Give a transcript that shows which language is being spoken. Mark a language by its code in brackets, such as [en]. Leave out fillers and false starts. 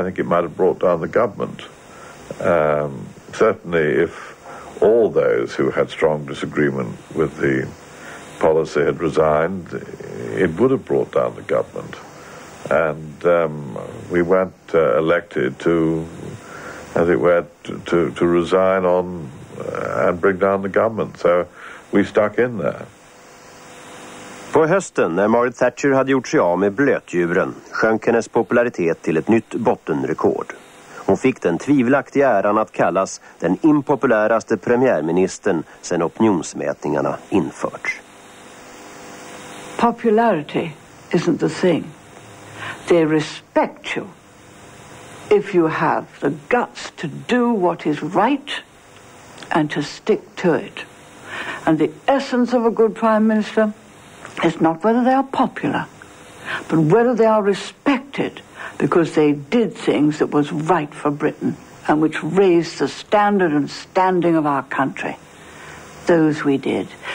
[en] I think it might have brought down the government. Certainly if all those who had strong disagreement with the policy had resigned, it would have brought down the government. And we weren't elected to, as it were, to resign on and bring down the government. So we stuck in there. [sv] På hösten, när Margaret Thatcher hade gjort sig av med blötdjuren, sjönk hennes popularitet till ett nytt bottenrekord. Hon fick den tvivelaktiga äran att kallas den impopuläraste premiärministern sedan opinionsmätningarna införts. [en] Popularity isn't the thing. They respect you if you have the guts to do what is right and to stick to it. And the essence of a good prime minister is not whether they are popular, but whether they are respected because they did things that was right for Britain and which raised the standard and standing of our country. Those we did.